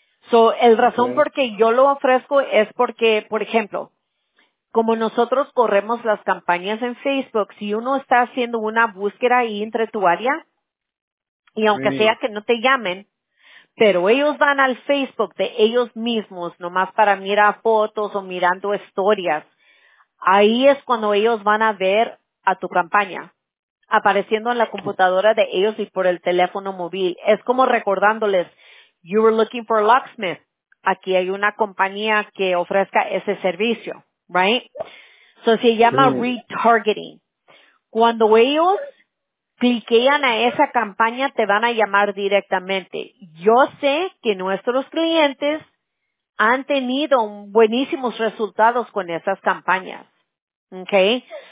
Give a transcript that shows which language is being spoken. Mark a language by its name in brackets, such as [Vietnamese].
[Spanish] So, el razón por qué yo lo ofrezco es porque, por ejemplo, como nosotros corremos las campañas en Facebook, si uno está haciendo una búsqueda ahí entre tu área, y aunque sea que no te llamen, pero ellos van al Facebook de ellos mismos, nomás para mirar fotos o mirando historias, ahí es cuando ellos van a ver a tu campaña, apareciendo en la computadora de ellos y por el teléfono móvil. Es como recordándoles, [English] you were looking for a locksmith. [Spanish] Aquí hay una compañía que ofrezca ese servicio, right? So se llama retargeting. Cuando ellos cliquean a esa campaña, te van a llamar directamente. Yo sé que nuestros clientes han tenido buenísimos resultados con esas campañas, okay?